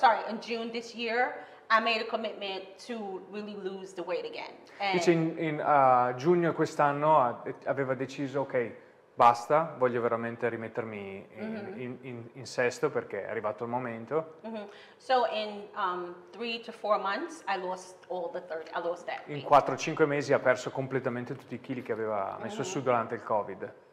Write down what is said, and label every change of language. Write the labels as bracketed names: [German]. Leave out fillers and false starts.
[English] In June this year, I made a commitment to really lose the weight again. [Italian] Dice, giugno quest'anno aveva deciso, ok, basta, voglio veramente rimettermi in sesto, perché è arrivato il momento. [English] So in 3 to 4 months I lost all the 30, I lost that weight. [Italian] In 4-5 mesi ha perso completamente tutti i chili che aveva messo su durante il COVID.